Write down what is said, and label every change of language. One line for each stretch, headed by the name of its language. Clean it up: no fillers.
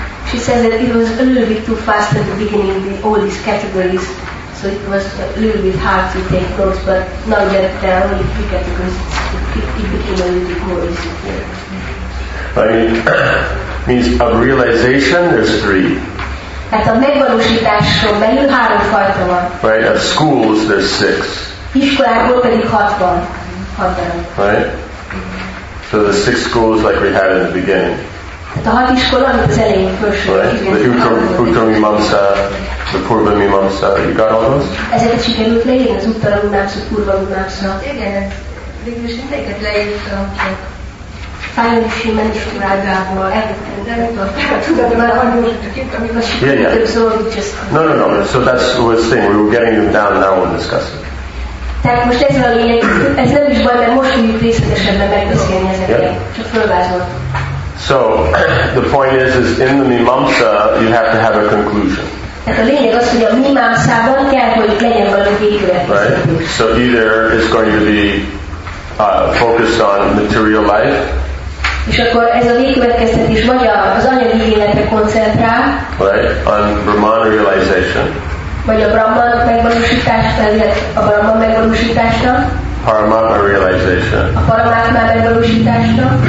English: She says that it was a little bit too fast at the beginning, all these categories, so it was a little bit hard to take notes, but now that there are only three categories, it became a little bit more easy. I mean, means of realization, there's three.
Hungarian: Hát a megvalósításról belül három fajta van.
English: Right, of schools, there's six.
Hungarian: Iskolákból pedig hat van.
English: Right? So the six schools like we had in the beginning.
Hungarian: Hát a hat iskola, amit az elején felsőtt.
English: Right? The Uttara Mimamsa, the Purva Mimamsa. You got all those?
Hungarian: Ezeket sikerült leírni, az Uttara Mimamsa, Purva Mimamsa. Igen, végül is mindegyiket leírtam csak. Fájlisi mennyiségrágából elvettem, de nem tudom, tehát tudom, hogy már
English: No. So that's the thing. We were getting them down, now we'll discuss it.
Hungarian: Tehát most ez a lényeg, ez nem is baj, mert most tudjuk részletesebben megbeszélni ezeket. Csak fölvázolt.
English: So, the point is in the Mimamsa, you have to have a conclusion.
Hungarian: Tehát a lényeg az, hogy a Mimamsában kell, hogy legyen valami végül.
English: Right? So either it's going to be focused on material life.
Hungarian: És akkor ez a végkövetkeztetés vagy az anyagi életre koncentrál.
English: Right? On Brahman realization.
Hungarian: Vagy a Brahman megvalósításra, illetve a Brahman megvalósításra.
English: Paramatma realization.
Hungarian: A Paramatma megvalósításra.